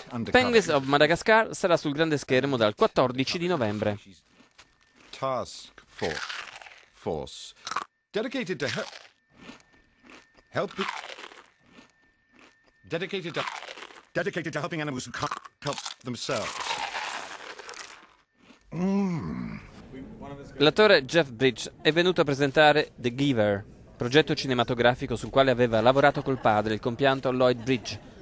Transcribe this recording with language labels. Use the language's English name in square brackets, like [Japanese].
[Italian] Penguins of Madagascar sarà sul grande schermo dal 14 di novembre. [English] Task Force dedicated to helping dedicated to helping animals who can't help themselves. [Italian] L'attore Jeff Bridges è venuto a presentare The Giver, progetto cinematografico sul quale aveva lavorato col padre, il compianto Lloyd Bridges.